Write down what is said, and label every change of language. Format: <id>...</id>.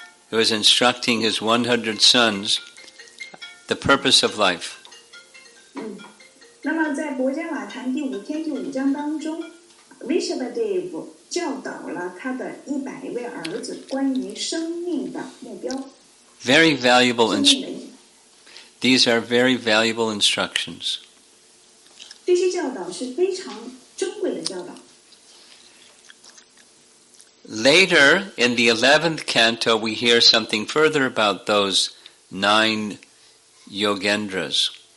<en>was instructing his 100 sons the purpose of life.</en> <zh>那么在《博伽瓦谈》第五天第五章当中， Rishabdev 教导了他的100位儿子关于生命的目标。</zh> <en>Very valuable These are very valuable instructions.</en> <zh>这些教导是非常珍贵的教导。Later</zh> <en>in the 11th canto, we hear something further about those nine Yogendras.</en>